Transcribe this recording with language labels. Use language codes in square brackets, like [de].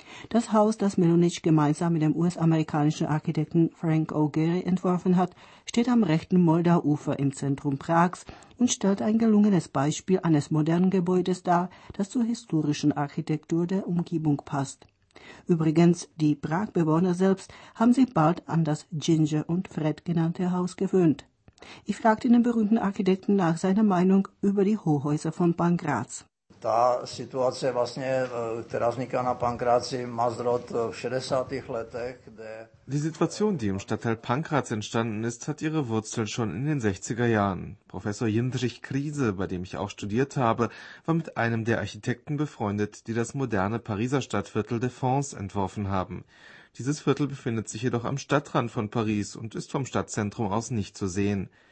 [de] Das Haus, das Milunič gemeinsam mit dem US-amerikanischen Architekten Frank O'Gary entworfen hat, steht am rechten Moldau-Ufer im Zentrum Prags und stellt ein gelungenes Beispiel eines modernen Gebäudes dar, das zur historischen Architektur der Umgebung passt. Übrigens, die Prag-Bewohner selbst haben sich bald an das Ginger und Fred genannte Haus gewöhnt. Ich fragte den berühmten Architekten nach seiner Meinung über die Hochhäuser von Pankrác. [cs] Ta situace vlastně, která vznikla na Pankráci, má zrod v 60. letech, kde [de] die Situation, die im Stadtteil Pankrác entstanden ist, hat ihre Wurzeln schon in den 60er Jahren. Professor Jindřich Kriese, bei dem ich auch studiert habe, war mit einem der Architekten befreundet, die das moderne Pariser Stadtviertel des Fonds entworfen haben. Dieses Viertel befindet sich jedoch am Stadtrand von Paris und ist vom Stadtzentrum aus nicht zu sehen.